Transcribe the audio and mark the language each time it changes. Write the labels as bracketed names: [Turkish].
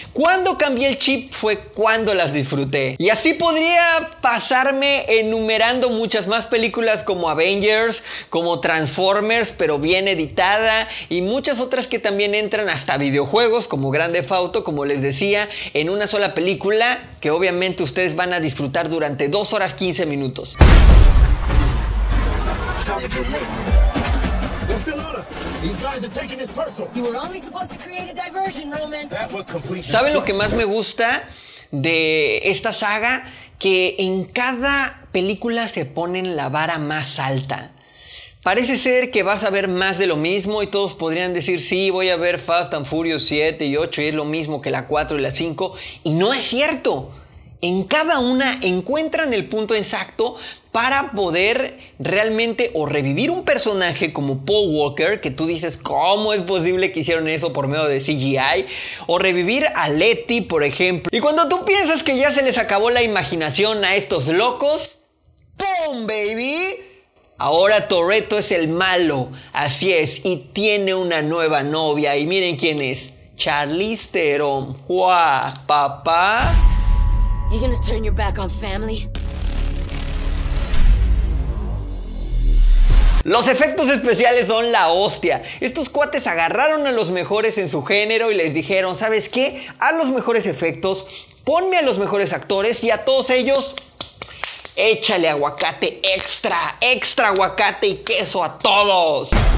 [Spanish] Cuando cambié el chip fue cuando las disfruté. Y así podría pasarme enumerando muchas más películas como Avengers, como Transformers, pero bien editada, y muchas otras que también entran, hasta videojuegos como Grand Theft Auto, como les decía, en una sola película que obviamente ustedes van a disfrutar durante 2 horas 15 minutos. [English] It's still on us. These guys are taking this personal. You were only supposed to create a diversion, Roman. That was complete. [Spanish] ¿Saben lo que más me gusta de esta saga? Que en cada películas se ponen la vara más alta. Parece ser que vas a ver más de lo mismo y todos podrían decir, sí, voy a ver Fast and Furious 7 y 8 y es lo mismo que la 4 y la 5. Y no es cierto. En cada una encuentran el punto exacto para poder realmente o revivir un personaje como Paul Walker, que tú dices, ¿cómo es posible que hicieron eso por medio de CGI? O revivir a Letty, por ejemplo. Y cuando tú piensas que ya se les acabó la imaginación a estos locos, ¡pum, baby! Ahora Toretto es el malo, así es, y tiene una nueva novia. Y miren quién es, Charlize Theron. ¡Wow, papá! [English] You gonna turn your back on family? [Spanish] Los efectos especiales son la hostia. Estos cuates agarraron a los mejores en su género y les dijeron, ¿sabes qué? Haz los mejores efectos, ponme a los mejores actores y a todos ellos, échale aguacate extra, extra aguacate y queso a todos.